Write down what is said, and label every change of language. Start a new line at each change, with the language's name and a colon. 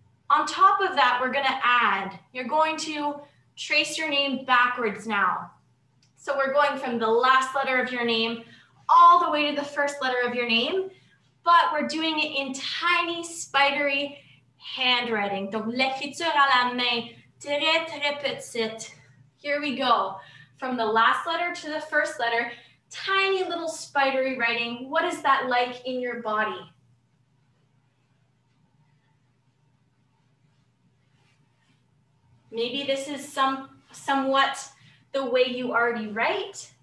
English: On top of that, we're gonna add, you're going to trace your name backwards now. So we're going from the last letter of your name all the way to the first letter of your name, but we're doing it in tiny, spidery handwriting.
French: Donc l'écriture à la main, très, très petite.
English: Here we go. From the last letter to the first letter, tiny little spidery writing. What is that like in your body? Maybe this is somewhat the way you already write.